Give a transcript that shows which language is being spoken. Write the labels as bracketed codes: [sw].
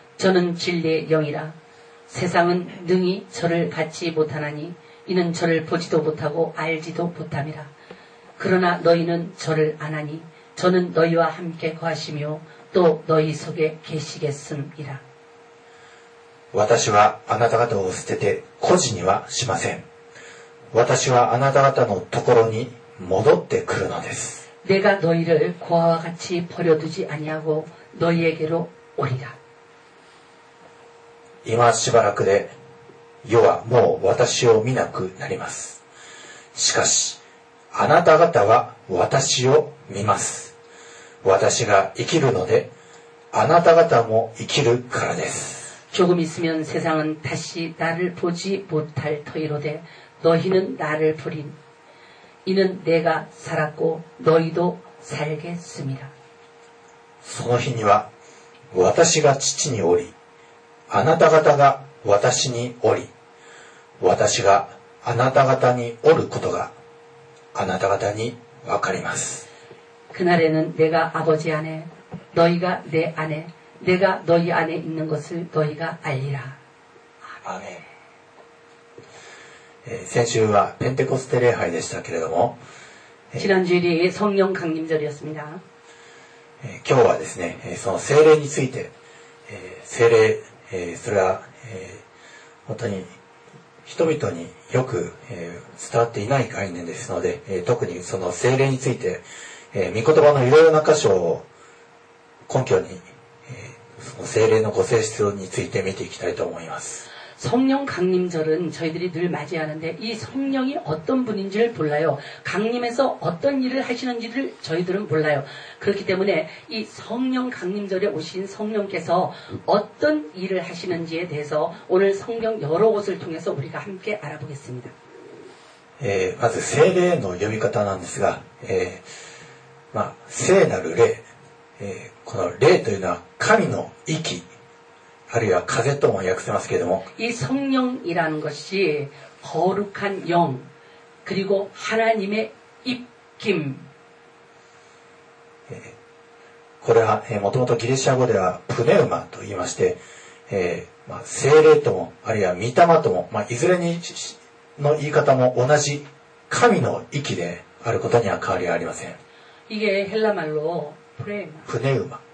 [ko] 저는진리의영이라세상은능히저를받지못하나니이는저를보지도못하고알지도못함이라그러나너희는저를아나니저는너희와함께거하시며또너희속에계시겠음이라 [ja] 私はあなた方を捨てて孤児にはしません。私はあなた方のところに戻ってくるのです。 [ko] 내가너희를고아와같이버려두지아니하고너희에게로오리라 [ja] 今しばらくで世はもう私を見なくなります。しかしあなた方は私を見ます。私が生きるのであなた方も生きるからです。 [ko] 조금있으면세상은다시나를보지못할터이로되너희는나를보린이는내가살았고너희도살겠습니다 [ja] その日には私が父におりあなた方が私におり私があなた方におることがあなた方にわかります。 [ko] 그날에는내가아버지안에너희가내안에내가너희안에있는것을너희가알리라 [ja] 아멘先週はペンテコステ礼拝でしたけれども [ko] 지난주일이성령강림절이었습니다 [ja] 今日はですねその聖霊について聖霊それは本当に人々によく伝わっていない概念ですので特にその聖霊について御言葉のいろいろな箇所を根拠にその聖霊のご性質について見ていきたいと思います。 [ko] 성령강림절은저희들이늘맞이하는데이성령이어떤분인지를몰라요강림해서어떤일을하시는지를저희들은몰라요그렇기때문에이성령강림절에오신성령께서어떤일을하시는지에대해서오늘성경여러곳을통해서우리가함께알아보겠습니다 [ja] まず聖霊の読み方なんですが聖なる霊この霊というのは神の息あるいは風とも訳せますけれども [ko] 이성령이라는것이거룩한영그리고하나님의입김 [ja] これはもともとギリシャ語ではプネウマと言いまして精霊ともあるいは御霊とも、いずれにの言い方も同じ神の息であることには変わりはありません。 [ko] 이게헬라말로プネウマ